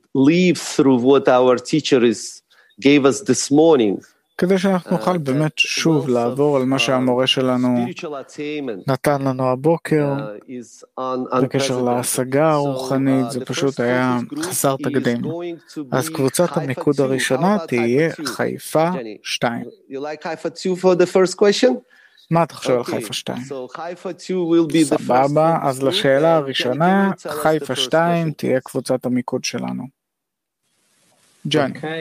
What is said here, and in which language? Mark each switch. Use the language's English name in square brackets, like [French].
[English] Live through what our teacher is gave us this morning. [Hebrew] כדי שאנחנו נוכל באמת שוב לעבור על מה שהמורה שלנו נתן לנו הבוקר, בקשר להשגה הרוחנית, זה פשוט היה חסר תקדים. אז קבוצת המיקוד הראשונה תהיה חיפה 2. [English] You like Haifa 2 for the first question? [Hebrew] מה אתה חושב על חיפה 2? סבבה, אז לשאלה הראשונה, חיפה 2 תהיה קבוצת המיקוד שלנו. ג'וני.